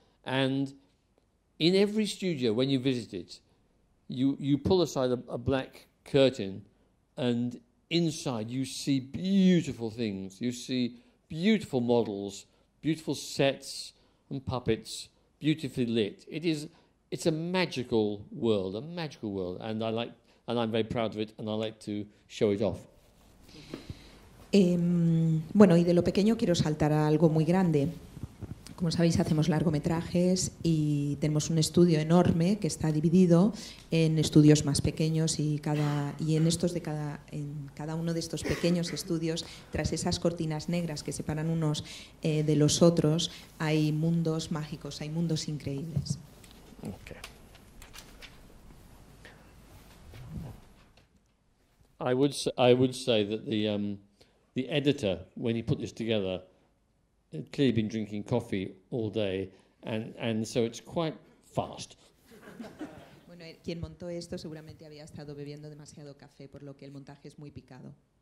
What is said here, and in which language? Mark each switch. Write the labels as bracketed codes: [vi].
[en] And in every studio, when you visit it, you pull aside a black curtain, and inside you see beautiful things. You see beautiful models, beautiful sets and puppets, beautifully lit. It's a magical world, a magical world, and I'm very proud of it, and I like to show it off. [es] Bueno, y de lo pequeño quiero saltar a algo muy grande. Como sabéis, hacemos largometrajes y tenemos un estudio enorme que está dividido en estudios más pequeños y en cada uno de estos pequeños estudios, tras esas cortinas negras que separan unos de los otros, hay mundos mágicos, hay mundos increíbles. [en] Okay. I would say that the editor, when he put this together, had clearly been drinking coffee all day, and so it's quite fast. [es] Bueno, quien montó esto seguramente había estado bebiendo demasiado café, por lo que el montaje es muy picado.